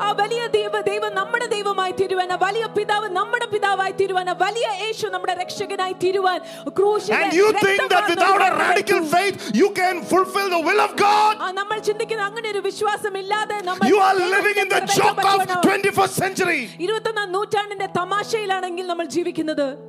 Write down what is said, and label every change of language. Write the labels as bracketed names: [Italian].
[Malayalam] ആ വലിയ ദൈവം നമ്മുടെ ദൈവമായി തീരുവാൻ, ആ വലിയ പിതാവ് നമ്മുടെ പിതാവായി തീരുവാൻ, ആ വലിയ യേശു നമ്മുടെ രക്ഷകനായി തീരുവാൻ ക്രൂശിലെ. [English] And you think that without a radical faith you can fulfill the will of God? [Malayalam] ആ നമ്മൾ ചിന്തിക്കുന്ന അങ്ങനെ ഒരു വിശ്വാസം ഇല്ലാതെ നമ്മൾ. [English] You are living in the joke of 21st century. [Malayalam] 21st നൂറ്റാണ്ടിന്റെ തമാശയിലാണെങ്കിൽ നമ്മൾ ജീവിക്കുന്നത്.